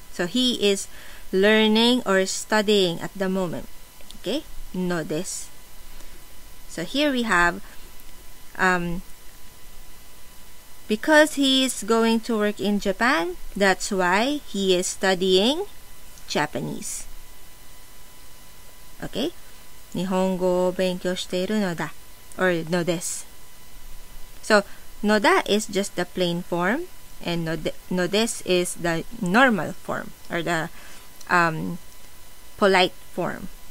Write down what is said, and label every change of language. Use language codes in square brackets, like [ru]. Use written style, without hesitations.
[en] So he is learning or studying at the moment. Okay, のです。So here we have, because he is going to work in Japan, that's why he is studying Japanese. Okay? [ja] 日本語を勉強しているのだ, or のです. [en] So, のだ is just the plain form, and のです is the normal form, or the polite form.